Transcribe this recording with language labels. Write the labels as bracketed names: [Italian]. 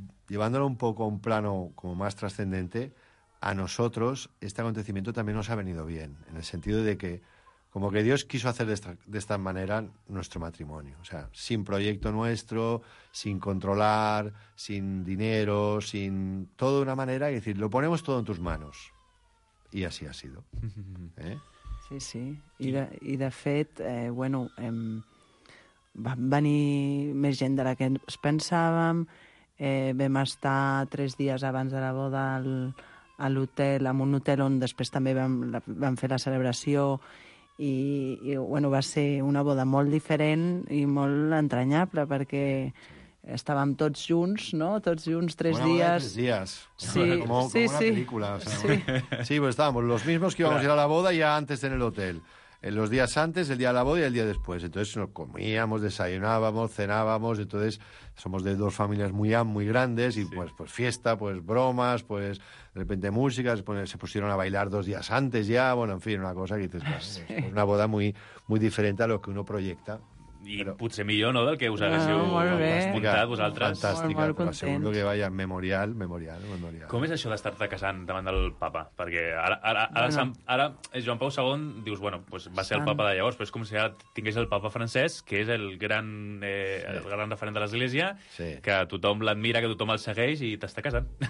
[Spanish] llevándolo un poco a un plano como más trascendente, a nosotros este acontecimiento también nos ha venido bien, en el sentido de que como que Dios quiso hacer de esta manera nuestro matrimonio. O sea, sin proyecto nuestro, sin controlar, sin dinero, sin todo de una manera. Es decir, lo ponemos todo en tus manos. Y así ha sido. ¿Eh? Sí, sí. [Catalan] I de fet, bueno, va venir més gent de la que ens pensàvem. Vam estar 3 dies abans de la boda a l'hotel, en un hotel on després també vam fer la celebració. I bueno, va ser una boda molt diferent i molt entranyable, perquè estàvem tots junts, no? Tots junts, 3 dies. Una boda de 3 dies. Sí, com una pel·lícula. [Spanish] O sea, [Catalan] sí. ¿No? [Spanish] Sí, pues estábamos los mismos que íbamos a ir a la boda ya antes en el hotel. En los días antes, el día de la boda y el día después. Entonces nos comíamos, desayunábamos, cenábamos. Entonces somos de 2 familias muy, muy grandes y sí. pues fiesta, pues bromas, pues de repente música. Se pusieron a bailar 2 días antes ya. Bueno, en fin, una cosa que dices, bueno, sí. Es una boda muy, muy diferente a lo que uno proyecta. [Catalan] I però... potser millor, no?, del que us haguéssiu espuntat vosaltres. Fantàstica, però segur que vaya memorial. Com és això d'estar-te casant davant del papa? Perquè ara Joan Pau II dius, bueno, pues va ser el papa de llavors, però és com si ara tingués el papa francès, que és el gran, el gran referent de l'Església, que tothom l'admira, que tothom el segueix, i t'està casant.